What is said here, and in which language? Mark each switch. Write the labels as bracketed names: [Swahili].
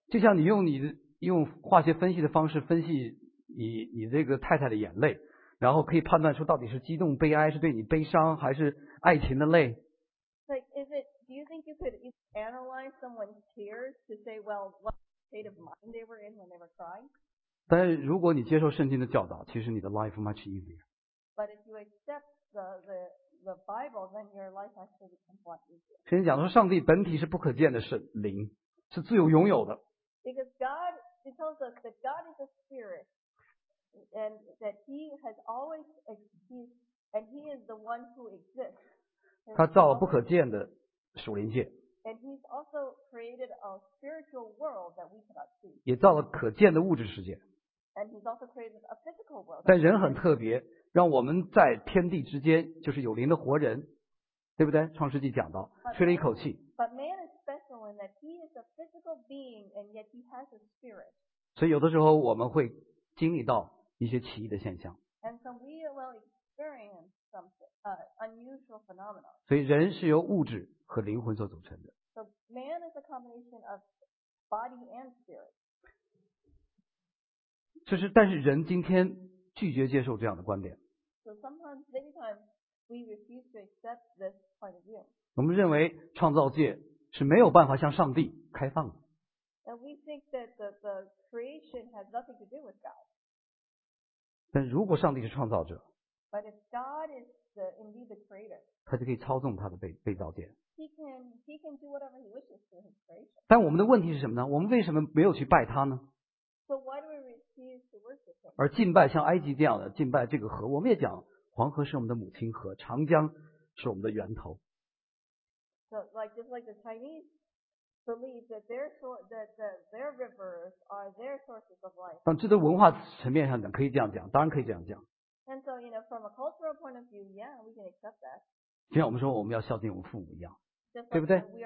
[Chinese] 就像你用你化学分析的方式分析你这个太太的眼泪，然后可以判断出到底是激动悲哀，是对你悲伤，还是爱情的泪。 [English] Like is it? Do you think you could analyze someone's tears to say, well, what? State of mind they were in when they were crying. [Chinese] 但如果你接受圣经的教导，其实你的 [English] life much easier. But if you accept the Bible, then your life actually becomes much easier. [Chinese] 圣经讲说，上帝本体是不可见的，是灵，是自由拥有的。 [English] Because God, it tells us that God is a spirit, and that He has always existed, and He is the one who exists. [Chinese] 他造了不可见的属灵界。 [English] And he's also created a spiritual world that we cannot see. [Chinese] 也造了可见的物质世界。 [English] And he's also created a physical world. [Chinese] 但人很特别，让我们在天地之间，就是有灵的活人，对不对？创世纪讲到，吹了一口气。 [English] But man is special in that he is a physical being, and yet he has a spirit. [Chinese] 所以有的时候我们会经历到一些奇异的现象。 [English] And so we will experience unusual phenomena. [Chinese] 所以人是由物质和灵魂所组成的。 [English] So man is a combination of body and spirit. [Chinese] 就是，但是人今天拒绝接受这样的观点。 [English] So sometimes, many times, we refuse to accept this point of view. [Chinese] 我们认为创造界是没有办法向上帝开放的。 [English] And we think that the creation has nothing to do with God. [Chinese] 但如果上帝是创造者 [English] ，But if God is indeed the creator, [Chinese] 他就可以操纵他的被造界。 [English] He can do whatever he wishes to his creation. [Chinese] 但我们的问题是什么呢？我们为什么没有去拜他呢？ [English] So why do we refuse to worship him? [Chinese] 而敬拜像埃及这样的敬拜这个河，我们也讲黄河是我们的母亲河，长江是我们的源头。 [English] So like just like the Chinese believe that their rivers are their sources of life. [Chinese] 但这在文化层面上讲可以这样讲，当然可以这样讲。 [English] And so you know from a cultural point of view, yeah, we can accept that. [Chinese] 就像我们说我们要孝敬我们父母一样，对不对？